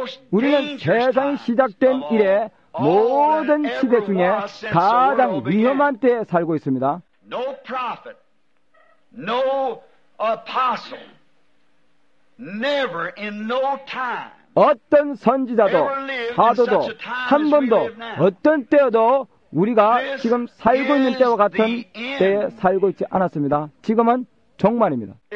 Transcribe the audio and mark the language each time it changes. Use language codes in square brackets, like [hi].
[ko] 우리는 세상이 시작된 이래 모든 시대 중에 가장 위험한 때에 살고 있습니다. [en] No prophet, no apostle, never in no time. [ko] 어떤 선지자도 사도도 한 번도 어떤 때여도 우리가 지금 살고 있는 때와 같은 때에 살고 있지 않았습니다. 지금은 종말입니다.